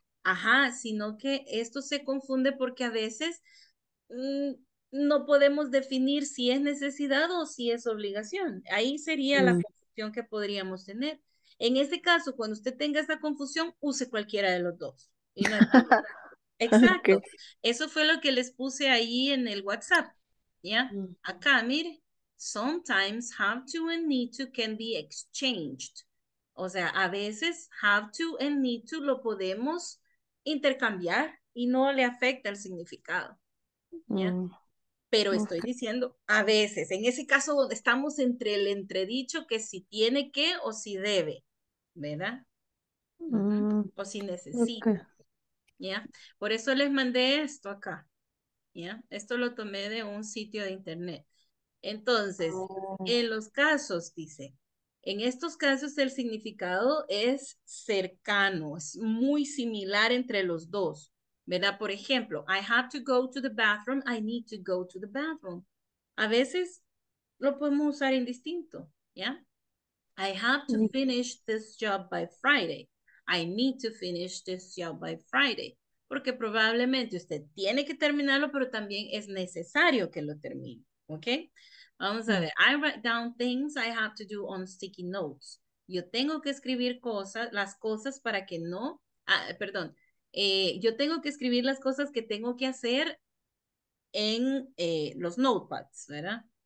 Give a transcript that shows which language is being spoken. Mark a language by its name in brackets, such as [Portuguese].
[Spanish] Ajá, sino que esto se confunde porque a veces no podemos definir si es necesidad o si es obligación. Ahí sería la confusión que podríamos tener. En este caso, cuando usted tenga esa confusión, use cualquiera de los dos. Exacto. Okay. Eso fue lo que les puse ahí en el WhatsApp. ¿Ya? Acá, mire. [English] Sometimes have to and need to can be exchanged. [Spanish] O sea, a veces have to and need to lo podemos intercambiar y no le afecta el significado. ¿Ya? Pero estoy diciendo a veces, en ese caso donde estamos entre el entredicho que si tiene que o si debe, ¿verdad? O si necesita. Okay. ¿Ya? Por eso les mandé esto acá. ¿Ya? Esto lo tomé de un sitio de internet. Entonces, en los casos, dice, en estos casos el significado es cercano, es muy similar entre los dos, ¿verdad? Por ejemplo, [English] I have to go to the bathroom, I need to go to the bathroom. [Spanish] A veces lo podemos usar indistinto, ¿ya? [English] I have to finish this job by Friday, I need to finish this job by Friday. [Spanish] Porque probablemente usted tiene que terminarlo, pero también es necesario que lo termine, ¿ok? Vamos a ver, [English] I write down things I have to do on sticky notes. [Spanish] Yo tengo que escribir cosas, las cosas para que no, yo tengo que escribir las cosas que tengo que hacer en los notepads, ¿verdad?